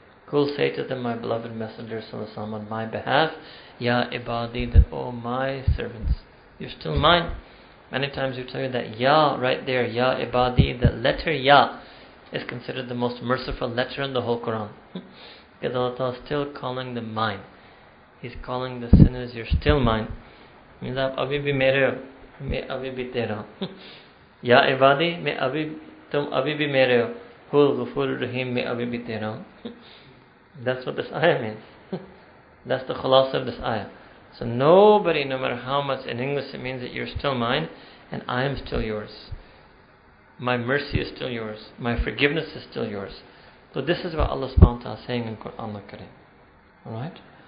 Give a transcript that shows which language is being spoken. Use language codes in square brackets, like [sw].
[en] Qul, say to them, my beloved messenger, sallallahu alaihi wasallam, on my behalf, ya ibadi, that oh my servants, you're still mine. Many times we tell you that ya right there, ya ibadi, the letter ya is considered the most merciful letter in the whole Quran. Because Allah Ta'ala is still calling them mine. He's calling the sinners, "You're still mine." [hi] Means आप अभी भी मेरे हो, मैं अभी भी तेरा हूँ. या इबादी, मैं अभी तुम अभी भी मेरे हो. हु गफूर रहीम, मैं अभी भी तेरा हूँ. [en] That's what this ayah means. That's the khulasa of this ayah. So nobody, no matter how much in English it means that you're still mine and I am still yours. My mercy is still yours. My forgiveness is still yours. So this is what Allah subhanahu wa ta'ala is saying in Quran al-Kareem. Alright?